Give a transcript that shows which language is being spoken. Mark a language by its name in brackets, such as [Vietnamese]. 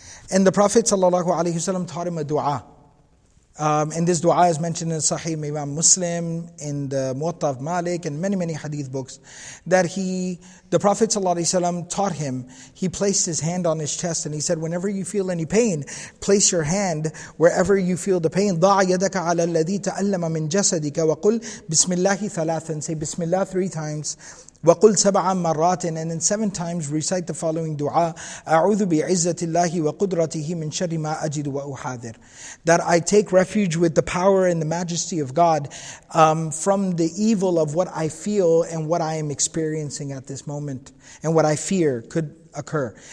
[English] And the Prophet ﷺ taught him a du'a. And this du'a is mentioned in Sahih Imam Muslim, in the Muwatta of Malik, and many, many hadith books, that the Prophet ﷺ taught him, he placed his hand on his chest, and he said, whenever you feel any pain, place your hand wherever you feel the pain. [Arabic] ضَعْ يَدَكَ عَلَى الَّذِي تَأَلَّمَ مِنْ جَسَدِكَ وَقُلْ بِسْمِ اللَّهِ ثَلَاثًا. [English] Say Bismillah three times, [Arabic] وَقُلْ سَبْعًا مَرَّاتٍ, [English] and in 7 times recite the following dua: [Arabic] أَعُوذُ بِعِزَّةِ اللَّهِ وَقُدْرَتِهِ مِنْ شَرِّ مَا أَجِدُ وَأُحَاذِرُ, [English] that I take refuge with the power and the majesty of God from the evil of what I feel and what I am experiencing at this moment and what I fear could occur.